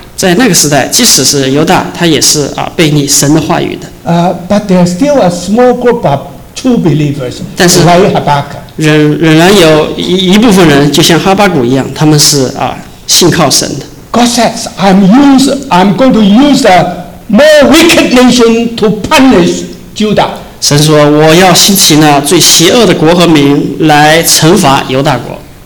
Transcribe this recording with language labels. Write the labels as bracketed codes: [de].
[zh] 在那个时代，即使是犹大，他也是背逆神的话语的。 [en] But there are still a small group of true believers, like Habakkuk. [zh] 仍然有一部分人，就像哈巴谷一样，他们是信靠神的。 [en] God says, I'm going to use a more wicked nation to punish Judah. [zh] 神说，我要兴起那最邪恶的国和民来惩罚犹大国。